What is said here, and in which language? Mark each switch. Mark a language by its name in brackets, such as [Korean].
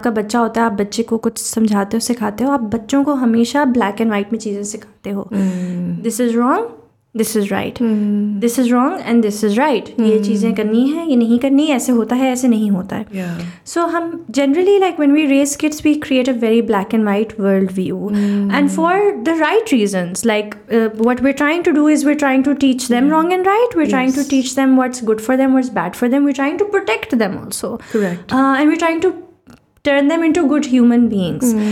[Hindi] आपका बच्चा होता है, आप बच्चे को कुछ समझाते हो, सिखाते हो. आप बच्चों को हमेशा ब्लैक एंड वाइट में चीज़ें सिखाते हो. [English] This is wrong, this is right, this is wrong, and this is right. [Hindi] ये चीज़ें करनी है, ये नहीं करनी, ऐसे होता है, ऐसे नहीं होता है. सो हम [English] generally like when we raise kids, we create a very black and white world view. And for the right reasons, like what we're trying to do is we're trying to teach them wrong and right. We're trying to teach them what's good for them, what's bad for them. We're trying to protect them also. Correct. And we're trying to turn them into good human beings.